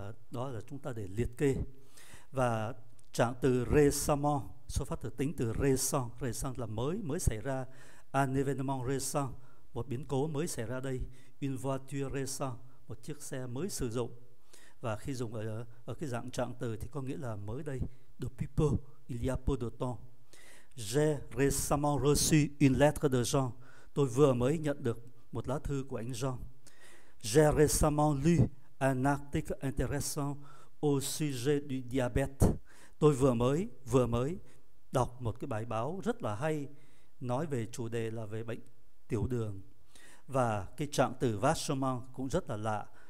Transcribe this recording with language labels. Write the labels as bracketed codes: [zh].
[vi] Đó là chúng ta để liệt kê. Và trạng từ récemment xuất phát từ tính từ récent, récent là mới, mới xảy ra. [fr] Un événement récent, [vi] một biến cố mới xảy ra đây. [fr] Une voiture récente, [vi] một chiếc xe mới sử dụng. Và khi dùng ở cái dạng trạng từ thì có nghĩa là mới đây. [fr] Depuis peu, il y a peu de temps. J'ai récemment reçu une lettre de Jean. [vi] Tôi vừa mới nhận được một lá thư của anh Jean. [fr] J'ai récemment lu un article intéressant au sujet du diabète. [vi] Tôi vừa mới đọc một cái bài báo rất là hay nói về chủ đề là về bệnh tiểu đường. Và cái trạng từ Vachement cũng rất là lạ.